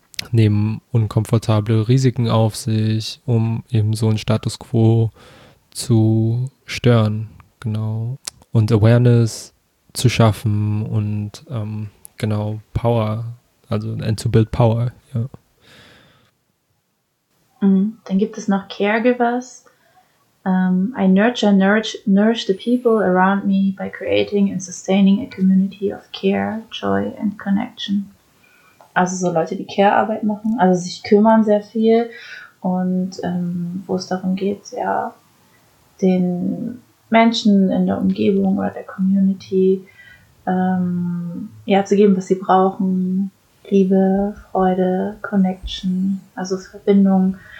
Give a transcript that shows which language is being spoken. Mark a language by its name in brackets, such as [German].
[German] nehmen unkomfortable Risiken auf sich, um eben so einen Status quo zu stören, genau. Und Awareness zu schaffen und genau, Power, also [English] and to build power, [German] ja. Dann gibt es noch Caregivers. [English] I nurture, nourish the people around me by creating and sustaining a community of care, joy and connection. [German] Also so Leute, die Care-Arbeit machen, also sich kümmern sehr viel und wo es darum geht, ja, den Menschen in der Umgebung oder der Community ja, zu geben, was sie brauchen. Liebe, Freude, Connection, also Verbindung.